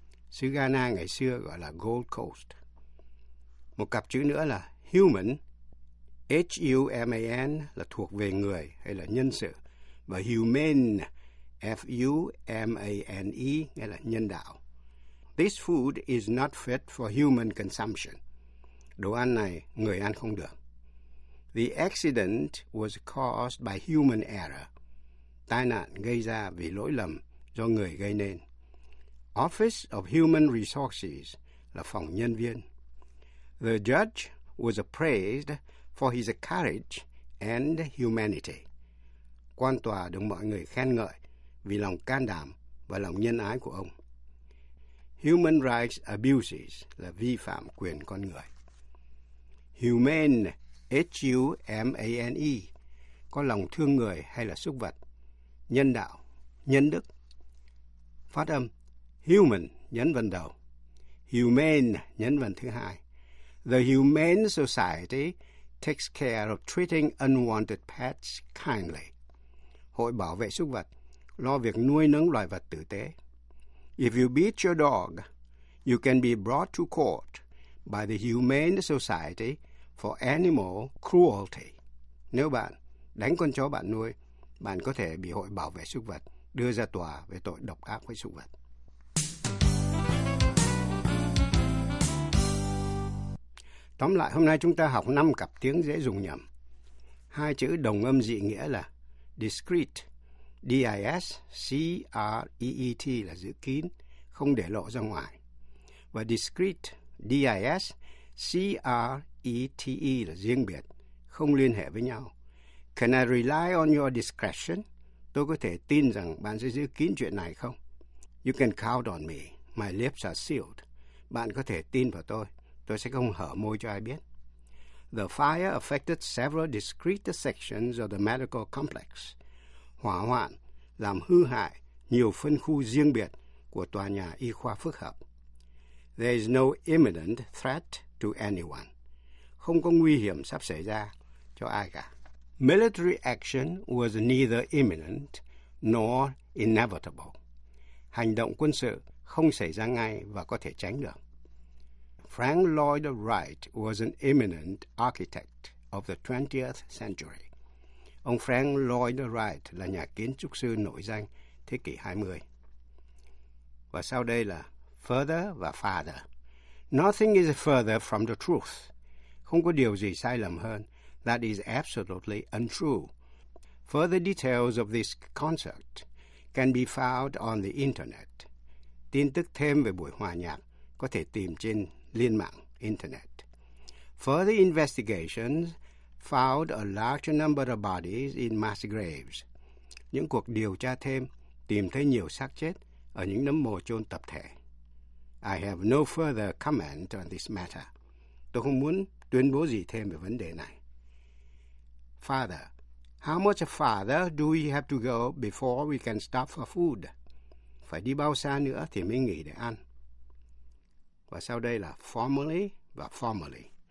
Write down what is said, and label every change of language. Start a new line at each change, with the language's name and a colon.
Vietnamese: Xứ Ghana ngày xưa gọi là Gold Coast. Một cặp chữ nữa là human, H-U-M-A-N là thuộc về người hay là nhân sự, và humane, F-U-M-A-N-E nghĩa là nhân đạo.
English: This food is not fit for human consumption.
Vietnamese: Đồ ăn này người ăn không được.
English: The accident was caused by human error.
Vietnamese: Tai nạn gây ra vì lỗi lầm do người gây nên. Office of Human Resources là phòng nhân viên.
English: The judge was praised for his courage and humanity.
Vietnamese: Quan tòa được mọi người khen ngợi vì lòng can đảm và lòng nhân ái của ông. Human rights abuses là vi phạm quyền con người. Humane, H-U-M-A-N-E, có lòng thương người hay là súc vật. Nhân đạo, nhân đức. Phát âm, human, nhấn vần đầu. Humane, nhấn vần thứ hai.
English: The Humane Society takes care of treating unwanted pets kindly.
Vietnamese: Hội bảo vệ súc vật, lo việc nuôi nấng loài vật tử tế.
English: If you beat your dog, you can be brought to court by the Humane Society for Animal Cruelty.
Vietnamese: Nếu bạn đánh con chó bạn nuôi, bạn có thể bị hội bảo vệ súc vật đưa ra tòa về tội độc ác với súc vật. Tóm lại, hôm nay chúng ta học 5 cặp tiếng dễ dùng nhầm. Hai chữ đồng âm dị nghĩa là discreet, D-I-S-C-R-E-E-T là giữ kín, không để lộ ra ngoài. Và discreet, D-I-S-C-R-E-T-E là riêng biệt, không liên hệ với nhau.
English: Can I rely on your discretion?
Vietnamese: tôi có thể tin rằng bạn sẽ giữ kín chuyện này không?
English: You can count on me. My lips are sealed.
Vietnamese: Bạn có thể tin vào tôi. Tôi sẽ không hở môi cho ai biết.
English: The fire affected several discrete sections of the medical complex.
Vietnamese: Hỏa hoạn làm hư hại nhiều phân khu riêng biệt của tòa nhà y khoa phức hợp.
English: There is no imminent threat to anyone.
Vietnamese: Không có nguy hiểm sắp xảy ra cho ai cả.
English: Military action was neither imminent nor inevitable.
Vietnamese: Hành động quân sự không xảy ra ngay và có thể tránh được.
English: Frank Lloyd Wright was an eminent architect of the 20th century.
Vietnamese: Ông Frank Lloyd Wright là nhà kiến trúc sư nổi danh thế kỷ 20. Và sau đây là further và farther.
English: Nothing is further from the truth.
Vietnamese: Không có điều gì sai lầm hơn.
English: That is absolutely untrue. Further details of this concert can be found on the internet.
Vietnamese: Tin tức thêm về buổi hòa nhạc có thể tìm trên liên mạng internet.
English: Further investigations found a large number of bodies in mass graves.
Vietnamese: Những cuộc điều tra thêm tìm thấy nhiều xác chết ở những nấm mồ chôn tập thể.
English: I have no further comment on this matter.
Vietnamese: Tôi không muốn tuyên bố gì thêm về vấn đề này.
English: Father, how much farther do we have to go before we can stop for food?
Vietnamese: Phải đi bao xa nữa thì mới nghỉ để ăn? Và sau đây là formally và formally.